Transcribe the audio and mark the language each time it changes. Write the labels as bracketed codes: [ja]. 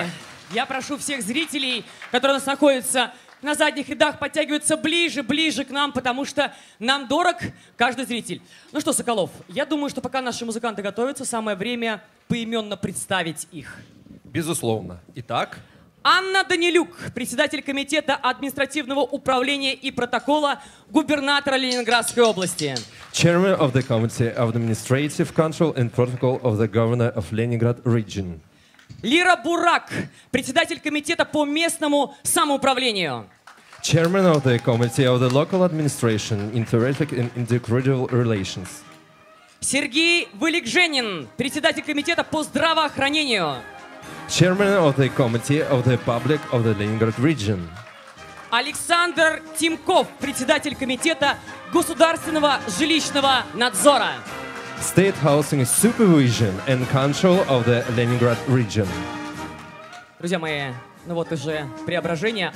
[ru] Мои, я прошу всех зрителей, которые у нас находятся на задних рядах, подтягиваются ближе, ближе к нам, потому что нам дорог каждый зритель. Ну что, Соколов, я думаю, что пока наши музыканты готовятся, самое время поименно представить их. Безусловно. Итак. Анна Данилюк, председатель комитета административного управления и протокола губернатора Ленинградской области. [en] Chairman of the Committee of Administrative Control and Protocol of the Governor of Leningrad Region. [ru] Лира Бурак, председатель комитета по местному самоуправлению. [en] Chairman of the Committee of the Local Administration, Interethnic and Intercultural Relations. [ru] Сергей Выликженин, председатель комитета по здравоохранению. [en] Chairman of the Committee of the Public of the Leningrad Region. [ru] Александр Тимков, председатель комитета государственного жилищного надзора. [en] State Housing Supervision and Control of the Leningrad Region. [ru] Друзья мои, ну вот уже преображение.